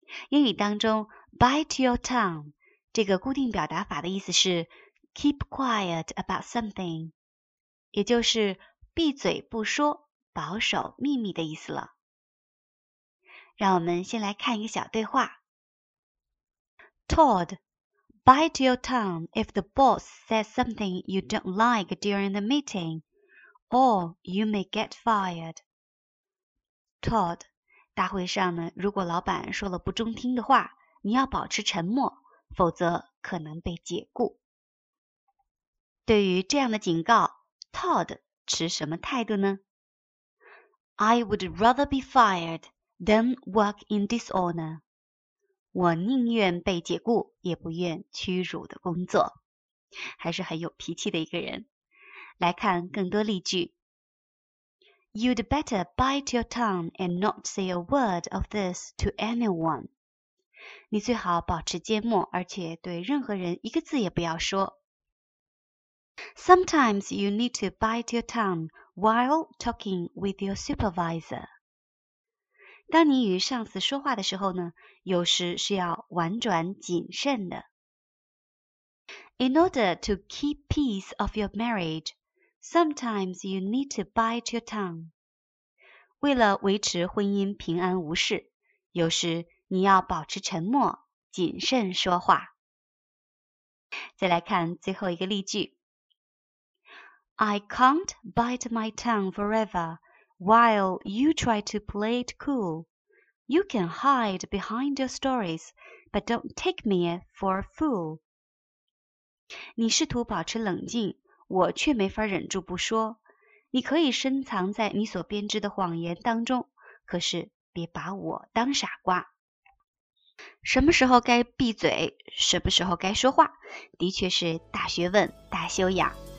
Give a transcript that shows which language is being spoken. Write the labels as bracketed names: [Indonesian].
[Chinese] 英语当中 [English] bite your tongue [Chinese] 这个固定表达法的意思是 [English] keep quiet about something， [Chinese] 也就是闭嘴不说，保守秘密的意思了。让我们先来看一个小对话。 [English] Todd, bite your tongue if the boss says something you don't like during the meeting, or you may get fired. [Chinese] Todd, 大会上呢，如果老板说了不中听的话，你要保持沉默，否则可能被解雇。对于这样的警告， Todd持什么态度呢？ [English] I would rather be fired than work in dishonor. [Chinese] 我宁愿被解雇，也不愿屈辱的工作。还是很有脾气的一个人。来看更多例句。 [English] You'd better bite your tongue and not say a word of this to anyone. [Chinese] 你最好保持缄默，而且对任何人一个字也不要说。 [English] Sometimes you need to bite your tongue while talking with your supervisor. [Chinese] 当你与上司说话的时候呢，有时是要婉转谨慎的。 [English] In order to keep peace of your marriage, sometimes you need to bite your tongue. [Chinese] 为了维持婚姻平安无事，有时你要保持沉默，谨慎说话。再来看最后一个例句。 [English] I can't bite my tongue forever while you try to play it cool. You can hide behind your stories, but don't take me for a fool. [Chinese] 你试图保持冷静，我却没法忍住不说。你可以深藏在你所编织的谎言当中，可是别把我当傻瓜。什么时候该闭嘴，什么时候该说话，的确是大学问，大修养。